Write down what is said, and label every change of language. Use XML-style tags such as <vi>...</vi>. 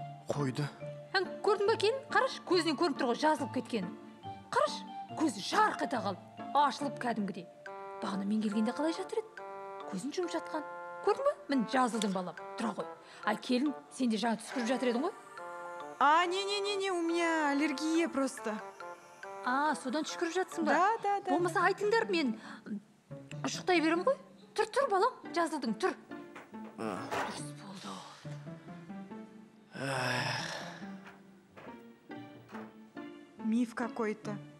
<kk>Қойды. Әң, көрдің ба екен? Қараш, көзінен көрініп тұр ғой, жазылып кеткен. Қараш. Көзі жарқ ете қалып, ашылып кәдімгідей. Бағана мен келгенде қалай жатыр еді? Көзін жұмып жатқан. Көрдің ба? Мен жазылдым балам. Тұра ғой. Ай, келін, сен де жаңа түспіріп жатыр едің ғой?</kk> <ru>А, не, у меня аллергия просто.</ru> <kk>А, содан түшкіріп жатсың ба?</kk> <ru>Да.</ru> <kk>Болмаса айтыңдар, мен ұшықтай берем ғой. Тұр, балам, жазылдың, тұр. Дұрыс болды.</kk> <ru>Миф какой-то.</ru>